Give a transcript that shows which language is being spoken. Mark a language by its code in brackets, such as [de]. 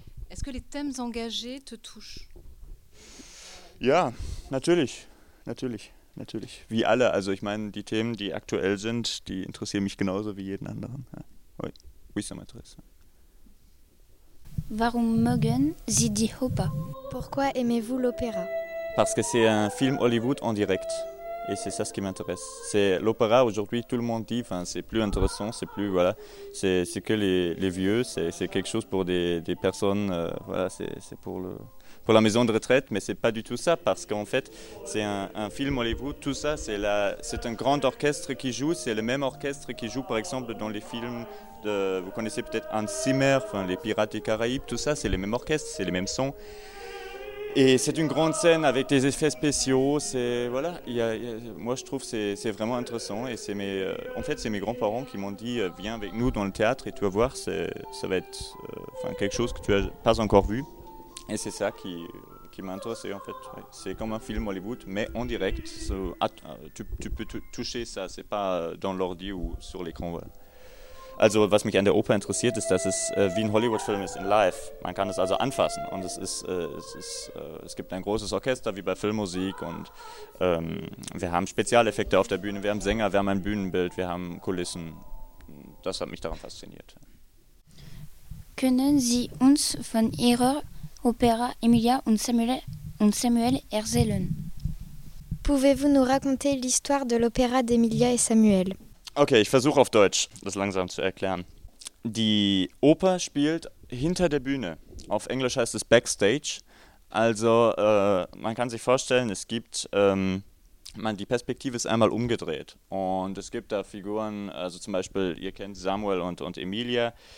[fr] Est-ce que les thèmes engagés te touchent? [de] Ja, natürlich. Wie alle. Also ich meine, die Themen, die aktuell sind, die interessieren mich genauso wie jeden anderen. [fr] Ja. Oui, ça m'intéresse. [de] Warum mögen Sie die Oper? [fr] Pourquoi aimez-vous l'opéra? Parce que c'est un film Hollywood en direct. Et c'est ça ce qui m'intéresse. C'est l'opéra, aujourd'hui, tout le monde dit, c'est plus intéressant, c'est plus, voilà, c'est que les vieux, c'est quelque chose pour des personnes, voilà, c'est pour la maison de retraite, mais c'est pas du tout ça, parce qu'en fait, c'est un film Hollywood, tout ça, c'est un grand orchestre qui joue, c'est le même orchestre qui joue, par exemple, dans les films de, vous connaissez peut-être Hans Zimmer, les Pirates des Caraïbes, tout ça, c'est les mêmes orchestres, c'est les mêmes sons. Et c'est une grande scène avec des effets spéciaux, c'est, voilà, moi je trouve que c'est vraiment intéressant, et c'est mes grands-parents qui m'ont dit, viens avec nous dans le théâtre et tu vas voir, ça va être quelque chose que tu n'as pas encore vu, et c'est ça qui m'a intéressé en fait, ouais. C'est comme un film Hollywood, mais en direct, tu peux toucher ça, c'est pas dans l'ordi ou sur l'écran, voilà. [de] Also was mich an der Oper interessiert, ist, dass es wie ein Hollywood-Film ist in live. Man kann es also anfassen und es gibt ein großes Orchester wie bei Filmmusik und wir haben Spezialeffekte auf der Bühne, wir haben Sänger, wir haben ein Bühnenbild, wir haben Kulissen. Das hat mich daran fasziniert. Können Sie uns von Ihrer Opera Emilia und Samuel erzählen? [fr] Pouvez-vous nous raconter l'histoire de l'opéra d'Emilia et Samuel? [de] Okay, ich versuche auf Deutsch das langsam zu erklären. Die Oper spielt hinter der Bühne. Auf Englisch heißt es Backstage. Also man kann sich vorstellen, es gibt, die Perspektive ist einmal umgedreht. Und es gibt da Figuren, also zum Beispiel, ihr kennt Samuel und Emilia.